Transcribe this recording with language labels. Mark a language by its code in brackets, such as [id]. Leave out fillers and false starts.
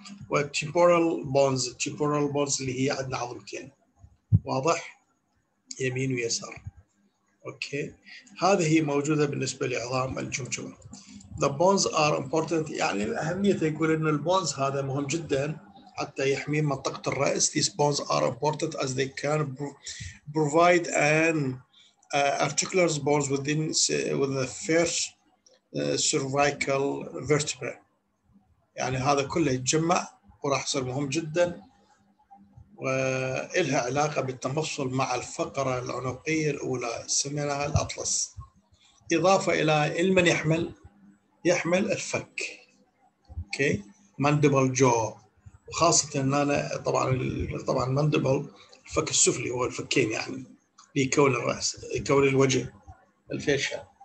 [ar] والتيمبورال بونز، التيمبورال بونز اللي هي عندنا عظمتين، واضح، يمين ويسار. اوكي، هذه هي موجوده بالنسبه لعظام الجمجمه. [en] The bones are important، [ar] يعني الأهمية، يقول إن البونز هذا مهم جدا حتى يحمي منطقة الرأس. [en] These bones are important as they can provide an articular bones within the first cervical vertebra. [ar] يعني هذا كله يتجمع وراح يصير مهم جدا، وإلها علاقة بالتمصل مع الفقرة العنقية الأولى، سميناها الأطلس. إضافة إلى المن يحمل، يحمل الفك، اوكي، مانديبل جو، وخاصه ان انا طبعا مانديبل الفك السفلي، هو الفكين يعني اللي يكون الراس، يكون الوجه، الفيشة.